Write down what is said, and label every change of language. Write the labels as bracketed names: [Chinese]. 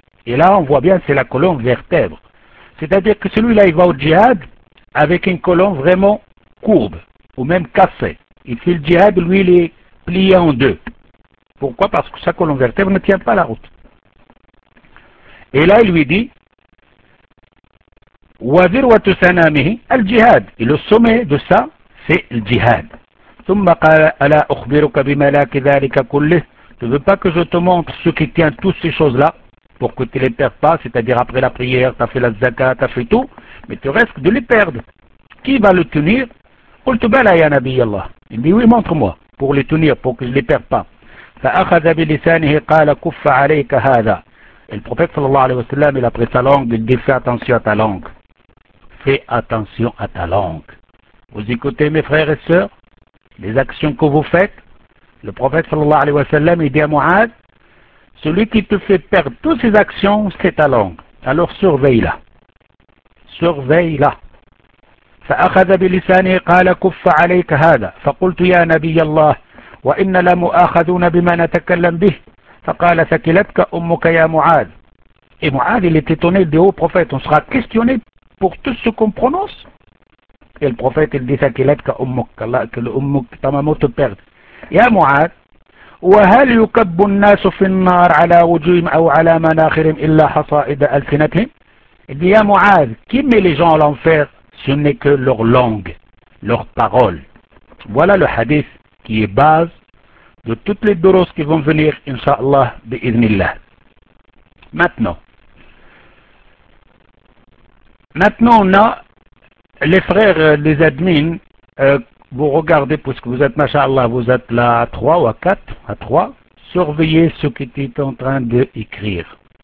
[French] Et là, on voit bien, c'est la colonne vertèbre. C'est-à-dire que celui-là, il va au jihad avec une colonne vraiment courbe, ou même cassée. Il fait le jihad, lui, il est plié en deux. Pourquoi? Parce que sa colonne vertèbre ne tient pas la route. Et là, il lui dit, [Arabic] وذر وتسنامه الجهاد. [French] Et le sommet de ça, c'est le jihad. [Arabic] ثم قال ألا أخبرك بملاك ذلك كله. [French] Tu ne veux pas que je te montre ce qui tient toutes ces choses-là pour que tu ne les perdes pas, c'est-à-dire après la prière, tu as fait la zakat, tu as fait tout, mais tu risques de les perdre. Qui va le tenir? Il dit oui, montre-moi pour les tenir, pour que je ne les perde pas. [Arabic] فأخذ بلسانه قال كف عليك هذا. [French] Et le prophète sallallahu alayhi wa sallam, il a pris sa langue, il dit fais attention à ta langue. Fais attention à ta langue. Vous écoutez mes frères et sœurs, les actions que vous faites. Le prophète sallallahu alayhi wa sallam, il dit à Mu'ad, celui qui te fait perdre toutes ses actions, c'est ta langue. Alors surveille-la. Surveille-la. [Arabic] فأخذ بلسانه قال كف عليك هذا. فقلت يا نبي الله وإن لمؤاخذون بما نتكلم به. فقال ثكلتك أمك يا معاذ. [French] Et Mu'ad, il est étonné des hauts prophètes. On sera questionné pour tout ce qu'on prononce. Et le prophète, il dit [Arabic] ثكلتك أمك. [French] Allah, que l'ummuk, ta maman te perde. [Arabic] يا معاذ. وهل يكب الناس في النار على وجوههم أو على مناخرهم إلا حصائد ألسنتهم. [French] Il dit [Arabic] يا معاذ, [French] qui met les gens à l'enfer, ce n'est que leur langue, leur parole. Voilà le hadith qui est base de toutes les doros qui vont venir, Inch'Allah, bi'idhnillah. Maintenant, on a les frères, les admins, vous regardez, puisque vous êtes, Masha'Allah, vous êtes là à 3 ou à 4, à 3, surveillez ce qui est en train d'écrire.